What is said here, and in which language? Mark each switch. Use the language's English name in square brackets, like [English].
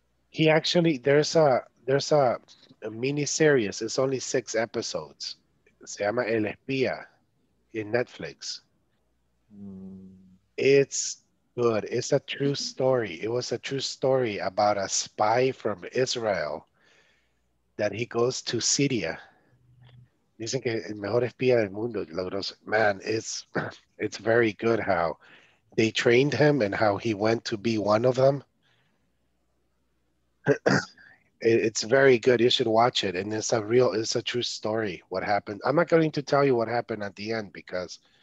[English] He actually, there's a miniseries, it's only 6 episodes. [Spanish] Se llama [English] El Espía. In Netflix. It's good. It's a true story. It was a true story about a spy from Israel that he goes to Syria. [Spanish] Dicen que el mejor espía del mundo, logros. [English] Man, it's very good how they trained him and how he went to be one of them. It's very good. You should watch it. And it's a true story. What happened? I'm not going to tell you what happened at the end because.